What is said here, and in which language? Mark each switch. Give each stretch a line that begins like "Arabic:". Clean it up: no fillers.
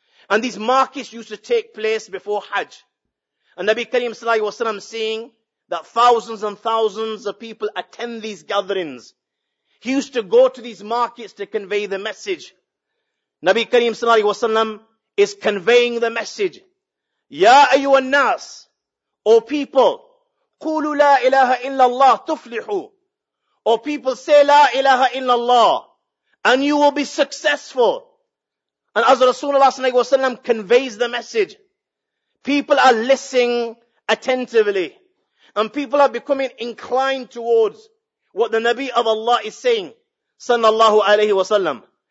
English: And these markets used to take place before Hajj. And Nabi Kareem sallallahu alayhi wa sallam seeing that thousands and thousands of people attend these gatherings. He used to go to these markets to convey the message. Nabi Kareem sallallahu alayhi wa sallam is conveying the message.
Arabic: Ya ayyuhan nas,
English: O people,
Arabic: قولوا لا إله إلا الله تفلحوا.
English: O people, say La ilaha illallah, and you will be successful. And as Rasulullah sallallahu alayhi wa sallam conveys the message, people are listening attentively, and people are becoming inclined towards what the Nabi of Allah is saying, sallallahu alayhi wa sallam.